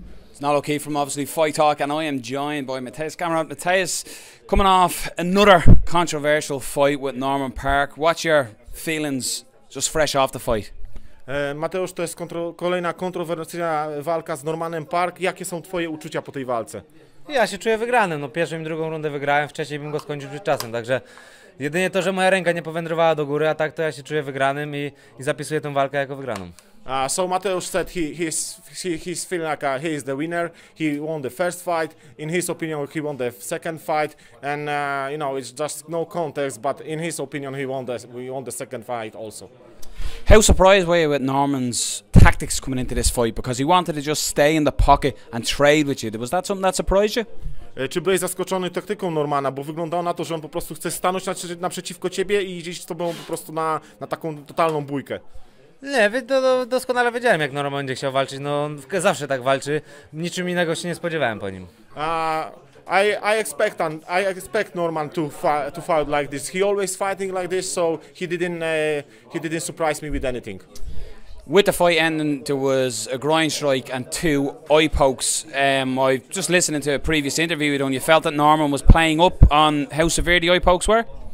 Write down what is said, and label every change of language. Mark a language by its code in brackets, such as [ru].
[en] It's not okay from obviously Fight Talk, and I am joined by Mateusz Gamrot. Mateusz, coming off another controversial fight with Norman Parke, what's your feelings just fresh off the fight? [pl] Mateusz, to jest kolejna kontrowersyjna walka z Normanem Parke. Jakie są twoje uczucia po tej walce? Ja się czuję wygrany. No, pierwszą i drugą rundę wygrałem, wcześniej bym go skończył przed czasem, także jedynie to, że moja ręka nie powędrowała do góry, a tak to ja się czuję wygranym i zapisuję tę walkę jako wygraną. [en] So Mateusz said he's feeling like he is the winner. He won the first fight. In his opinion, he won the second fight. And you know, it's just no context, but in his opinion, he won the second fight also. How surprised were you with Norman's tactics coming into this fight? Because he wanted to just stay in the pocket and trade with you. Was that something that surprised you? [pl] Czy byłeś zaskoczony taktyką Normana, bo wyglądało na to, że on po prostu chce stanąć naprzeciwko ciebie i iść z tobą po prostu na taką totalną bójkę? Nie, doskonale wiedziałem, jak Norman będzie chciał walczyć. No, on zawsze tak walczy. Niczym innego się nie spodziewałem po nim. [en] I expect Norman to fight like this. He always fighting like this, so he didn't surprise me with anything. With the fight ending, there was a groin strike and two eye pokes. I just listening to a previous interview with him, you felt that Norman was playing up on how severe the eye pokes were?